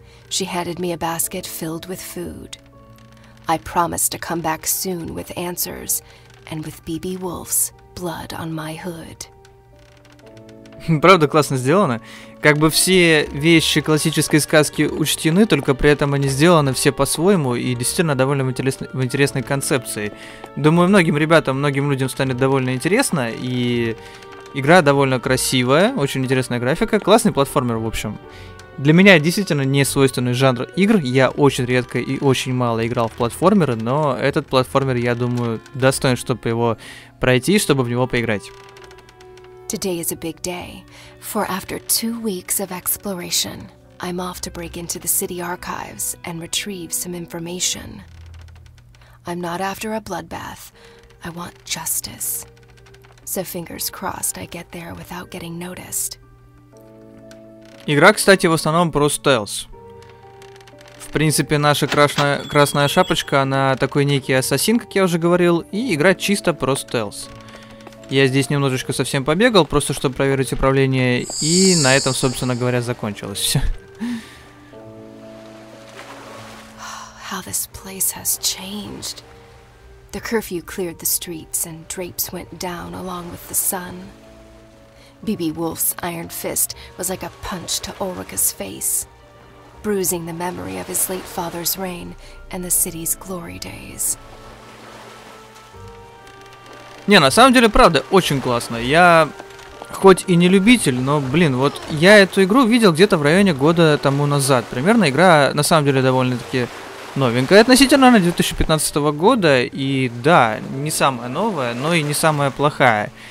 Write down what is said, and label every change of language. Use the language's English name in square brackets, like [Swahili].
[English] She handed me a basket filled with food. I promised to come back soon with answers, and with B.B. Wolf's blood on my hood. [Russian] Правда, классно сделано. Как бы все вещи классической сказки учтены, только при этом они сделаны все по-своему и действительно довольно в интересной концепции. Думаю, многим ребятам, многим людям станет довольно интересно, и игра довольно красивая, очень интересная графика, классный платформер, в общем. Для меня действительно не свойственный жанр игр. Я очень редко и очень мало играл в платформеры, но этот платформер, я думаю, достоин, чтобы его пройти, чтобы в него поиграть. [English] Today is a big day, for after 2 weeks of exploration, I'm off to break into the city archives and retrieve some information. I'm not after a bloodbath. I want justice. So fingers crossed I get there without getting noticed. [Russian] Игра, кстати, в основном про стелс. В принципе, наша красная шапочка, она такой некий ассасин, как я уже говорил, и игра чисто про стелс. Я здесь немножечко совсем побегал, просто чтобы проверить управление, и на этом, собственно говоря, закончилось все. [English] How this place has changed. The curfew cleared the streets and drapes went down along with the sun. BB Wolf's iron fist was like a punch to Ulrika's face, bruising the memory of his late father's reign and the city's glory days. [Russian] Не, на самом деле, правда, очень классно. Я хоть и не любитель, но, блин, вот я эту игру видел где-то в районе года тому назад. Примерно игра, на самом деле, довольно-таки новенькая относительно 2015 года. И да, не самая новая, но и не самая плохая.